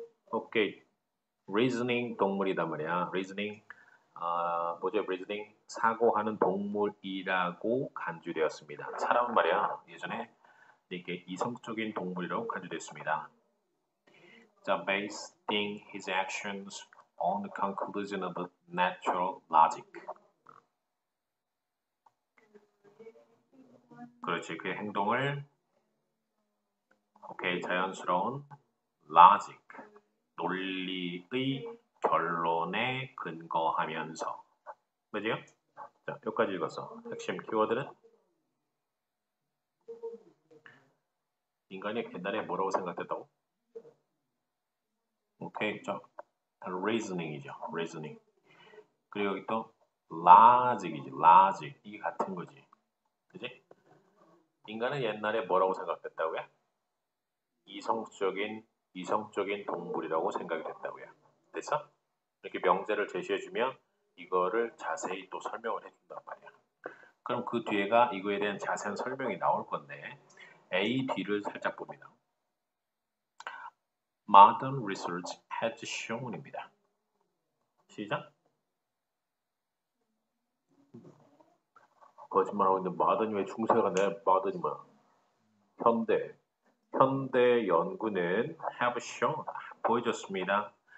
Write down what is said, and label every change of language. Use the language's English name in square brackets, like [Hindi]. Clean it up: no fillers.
[English] Okay. [Korean] Reasoning 동물이단 말이야. Reasoning, 뭐죠? Reasoning, 사고하는 동물이라고 간주되었습니다. 사람은 말이야. 예전에. 되게 이성적인 동물이라고 간주됐습니다. [English] So, basing his actions on the conclusion of natural logic. [Korean] 그렇지, 그의 행동을 오케이, 자연스러운 logic, 논리의 결론에 근거하면서. 맞아요? 자, 여기까지 읽었어. 핵심 키워드는? 인간이 옛날에 뭐라고 생각했다고? 오케이, 자, reasoning이죠, reasoning. 그리고 여기 또 logic이지, logic 이게 같은 거지, 그지? 인간은 옛날에 뭐라고 생각했다고요? 이성적인 동물이라고 생각이 됐다고요. 됐어? 이렇게 명제를 제시해주면 이거를 자세히 또 설명을 해준단 말이야. 그럼 그 뒤에가 이거에 대한 자세한 설명이 나올 건데. A, B를 살짝 봅니다. [English] Modern research has shown입니다. [Korean] 시작. 거짓말하고 있는데 Modern이 왜 중세가 돼? Modern이 뭐야? 현대. 현대 연구는 have shown, 보여줬습니다.